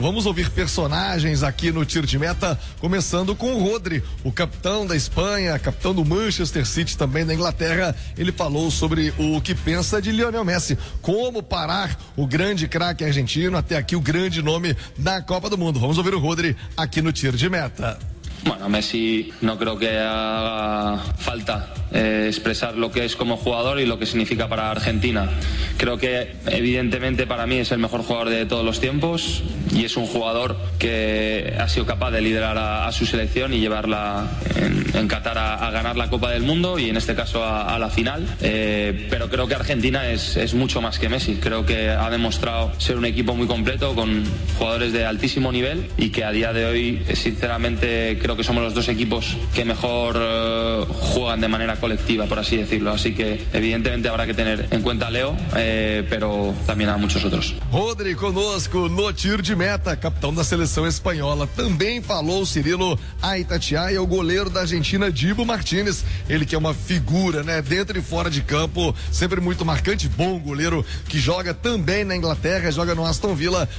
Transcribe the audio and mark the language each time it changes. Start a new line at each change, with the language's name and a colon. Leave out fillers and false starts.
Portuguese: Vamos ouvir personagens aqui no Tiro de Meta, começando com o Rodri, o capitão da Espanha, capitão do Manchester City, também da Inglaterra. Ele falou sobre o que pensa de Lionel Messi. Como parar o grande craque argentino, até aqui o grande nome da Copa do Mundo. Vamos ouvir o Rodri aqui no Tiro de Meta.
Spanish: Bueno, Messi no creo que haga falta expresar lo que es como jugador y lo que significa para Argentina. Creo que evidentemente para mí es el mejor jugador de todos los tiempos y es un jugador que ha sido capaz de liderar a su selección y llevarla en Qatar a ganar la Copa del Mundo y en este caso a la final. Pero creo que Argentina es mucho más que Messi. Creo que ha demostrado ser un equipo muy completo con jugadores de altísimo nivel y que a día de hoy, sinceramente, creo que somos los dos equipos que mejor juegan de manera colectiva, por así decirlo. Así que, evidentemente, habrá que tener en cuenta a Leo, pero también a muchos otros.
Portuguese: Rodri conosco no Tiro de Meta, capitão da seleção espanhola. Também falou Cirilo a Itatiaia, o goleiro da Argentina, Dibu Martínez. Ele que é uma figura, né? Dentro e fora de campo, sempre muito marcante, bom goleiro, que joga também na Inglaterra, joga no Aston Villa.